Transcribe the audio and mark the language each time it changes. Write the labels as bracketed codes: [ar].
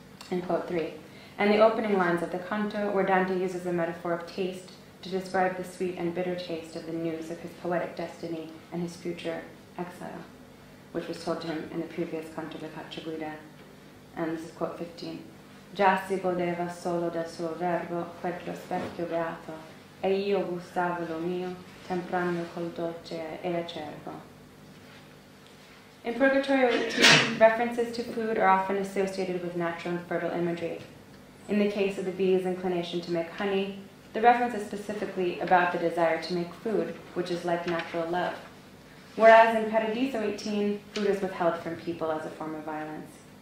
[en] In quote three, and the opening lines of the canto, where Dante uses the metaphor of taste to describe the sweet and bitter taste of the news of his poetic destiny and his future exile, which was told to him in the previous canto of Cacciaguida. And this is quote 15. [it] Già si godeva solo del suo verbo quel prospetto beato, e io gustavo lo mio, temprando col dolce e acerbo. [en] In Purgatorio 18, references to food are often associated with natural and fertile imagery. In the case of the bee's inclination to make honey, the reference is specifically about the desire to make food, which is like natural love. Whereas in Paradiso 18, food is withheld from people as a form of violence.